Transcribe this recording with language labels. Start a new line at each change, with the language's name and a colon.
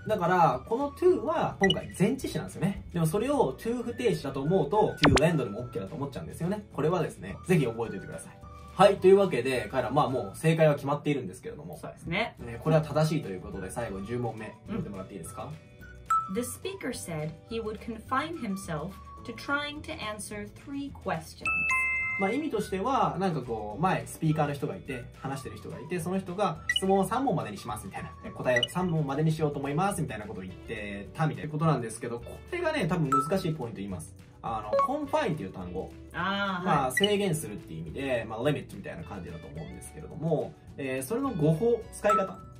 Japanese: だからこの to は今回前置詞なんですよね。でもそれを to 不定詞だと思うと to end でも OK だと思っちゃうんですよね。これはですねぜひ覚えておいてください。はい、というわけで彼らまあもう正解は決まっているんですけれども、そうですね、これは正しいということで最後10問目読んでもらっていいですか、うん。
English: The speaker said he would confine himself to trying to answer three questions.
Japanese: まあ意味としては、なんかこう、前、スピーカーの人がいて、話してる人がいて、その人が質問を3問までにしますみたいな、答えを3問までにしようと思いますみたいなことを言ってたみたいなことなんですけど、これがね、多分難しいポイント言います。 confine っていう単語、まあ制限するっていう意味で、まあ limit みたいな感じだと思うんですけれども、それの語法、使い方。